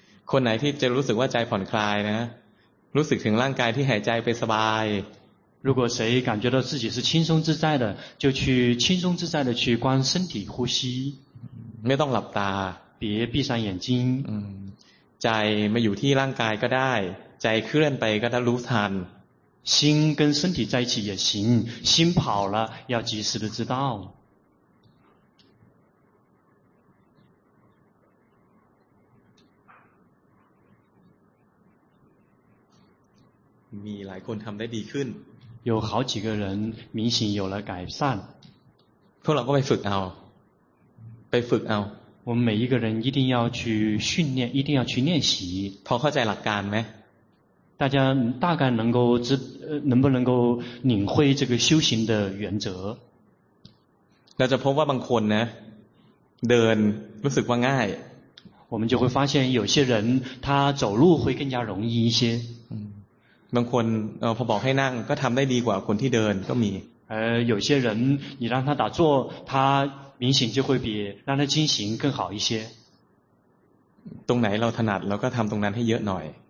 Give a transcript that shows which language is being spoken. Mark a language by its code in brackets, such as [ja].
[th] คนไหนที่จะรู้สึกว่าใจผ่อนคลายนะรู้สึกถึงร่างกายที่หายใจไปสบาย [zh] 如果谁感觉到自己是轻松自在的就去轻松自在的去观身体呼吸 [th] ไม่ต้องหลับตา [zh] 别闭上眼睛 [th] ใจไม่อยู่ที่ร่างกายก็ได้ใจเคลื่อนไปก็ได้รู้ทัน [zh] 心跟身体在一起也行心跑了要及时的知道 [th] มีหลายคนทำได้ดีขึ้น [zh] 有好几个人明显有了改善 [th] พวกเราก็ไปฝึกเอาไปฝึกเอา [zh] 我们每一个人一定要去训练一定要去练习 [th] พอเข้าใจหลักการไหม [zh] 大家大概能够能不能够领会这个修行的原则 [th] เราจะพบว่าบางคนนะเดินรู้สึกว่าง่าย [zh] 我们就会发现有些人他走路会更加容易一些 [th] บางคนพอบอกให้นั่งก็ทำได้ดีกว่าคนที่เดินก็มี [zh] 有些人你让他打坐他明显就会比让他进行更好一些 [th] ตรงไหนเราถนัดเราก็ทำตรงนั้นให้เยอะหน่อย